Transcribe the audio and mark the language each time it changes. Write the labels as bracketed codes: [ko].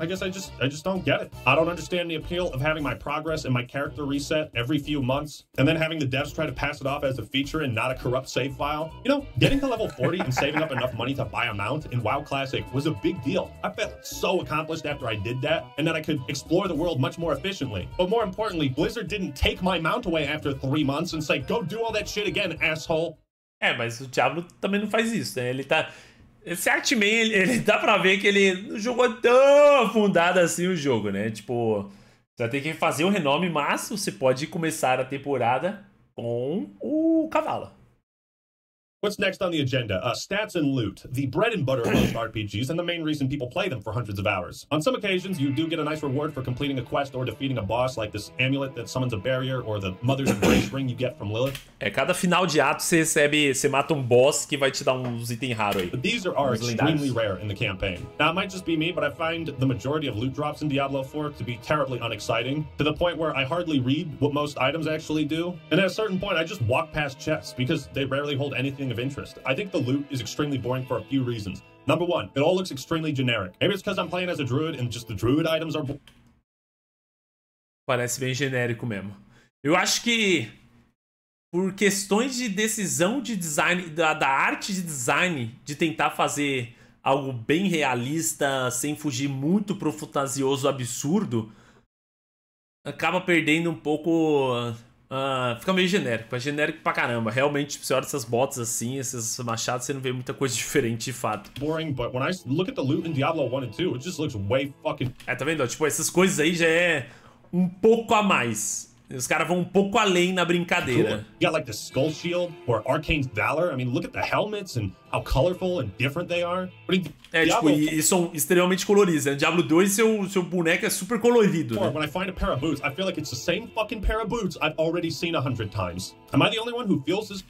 [en] I guess I just don't get it. I don't understand the appeal of having my progress and my character reset every few months, and then having the devs try to pass it off as a feature and not a corrupt save file. You know, getting to level 40 and saving up enough money to buy a mount in WoW Classic was a big deal. I felt so accomplished after I did that, and that I could explore the world much more efficiently. But more importantly, Blizzard didn't take my mount away after 3 months and say, go do all that shit again, asshole. [pt] É, mas o Diablo também não faz isso, né? Ele tá... Esse Artman, ele dá pra ver que ele não jogou tão afundado assim o jogo, né? Tipo, você vai ter que fazer um renome, mas você pode começar a temporada com o cavalo. [en] What's next on the agenda? Stats and loot. The bread and butter of most RPGs and the main reason people play them for hundreds of hours. On some occasions, you do get a nice reward for completing a quest or defeating a boss, like this amulet that summons a barrier or the Mother's Embrace ring you get from Lilith. [pt] É, cada final de ato você recebe, você mata um boss que vai te dar uns itens raros aí. [en] But these are extremely rare in the campaign. Now, it might just be me, but I find the majority of loot drops in Diablo 4 to be terribly unexciting, to the point where I hardly read what most items actually do. And at a certain point, I just walk past chests because they rarely hold anything of interest. I think the loot is extremely boring for a few reasons. Number one, it all looks extremely generic. Maybe it's because I'm playing as a druid and just the druid items are... [pt] Parece bem genérico mesmo. Eu acho que por questões de decisão de design, da arte de design, de tentar fazer algo bem realista, sem fugir muito pro fantasioso absurdo, acaba perdendo um pouco... fica meio genérico, é genérico pra caramba. Realmente, tipo, você olha essas botas assim, esses machados, você não vê muita coisa diferente de fato. [en] Boring, but when I look at the loot in Diablo 1 and 2, it just looks way fucking... [pt] É, tá vendo? Tipo, essas coisas aí já é um pouco a mais. Os caras vão um pouco além na brincadeira. [en] Cool. You got like the Skull Shield or Arcane's Valor. I mean, look at the helmets and how colorful and different they are. But in Diablo... [pt] tipo, e são extremamente coloridos. Né? Diablo 2, seu boneco é super colorido. Né? [en] When I find a pair of boots, I feel like it's the same fucking pair of boots I've already seen 100 times. Am I the only one who feels this?